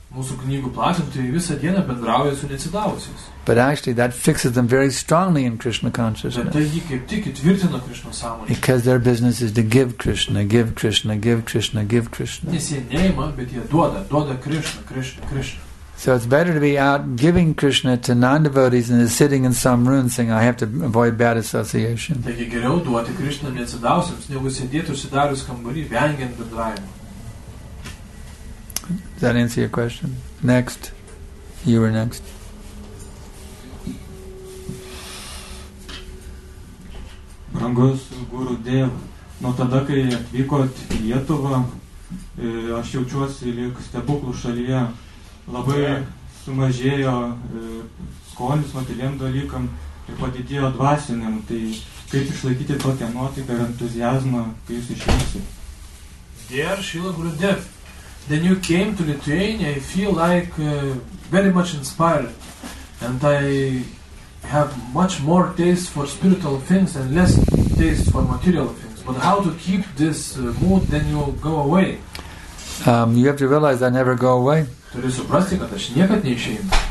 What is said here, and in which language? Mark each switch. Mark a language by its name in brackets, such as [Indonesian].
[Lithuanian] Mūsų knygų platintojai visą dieną bendrauja su neatsidavusiais. [English] But actually that fixes them very strongly in Krishna consciousness. [Lithuanian] Bet tai jį kaip tik įtvirtina Krishna sąmonė. [English] Because their business is to give Krishna, give Krishna, give Krishna, give Krishna. [Lithuanian] Nes jie neima, bet jie duoda Krishna, Krishna, Krishna. [English] So it's better to be out giving Krishna to non-devotees than sitting in some room saying, I have to avoid bad association. [Lithuanian] Taigi geriau duoti Krishna neatsidausiams, negu sėdėti užsidarius kambarį, vengiant bendravimo. [English] Does that answer your question? Next. You were next. [Lithuanian] Brangus Guru Dev, nuo tada, kai atvykot į Lietuvą, aš jaučiuosi lyg stebuklų šalyje. Labai sumažėjo skonis materialiem dalykam ir padidėjo dvasiniam. Tai kaip išlaikyti tokią nuotaiką ir entuziazmą, kai jūs išėjusi? [English] Dear Srila Gurudev, then you came to Lithuania, I feel like very much inspired. And I have much more taste for spiritual things and less taste for material things. But how to keep this mood, then you go away? You have to realize I never go away. [Lithuanian] Turi suprasti, kad aš niekad neišeinu.